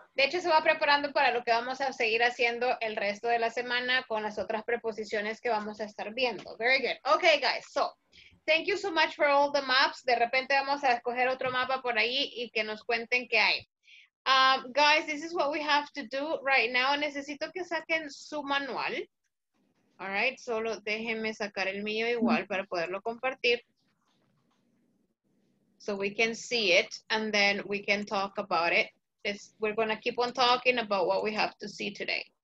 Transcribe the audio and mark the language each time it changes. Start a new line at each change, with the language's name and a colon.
Spanish: De hecho, se va preparando para lo que vamos a seguir haciendo el resto de la semana con las otras preposiciones que vamos a estar viendo.
English: Very good. Okay, guys, so, thank you so much for all the maps.
Spanish: De repente vamos a escoger otro mapa por ahí y que nos cuenten qué hay.
English: Guys, this is what we have to do right now.
Spanish: Necesito que saquen su manual.
English: All right,
Spanish: solo déjenme sacar el mío igual para poderlo compartir.
English: So we can see it and then we can talk about it. We're gonna keep on talking about what we have to see today.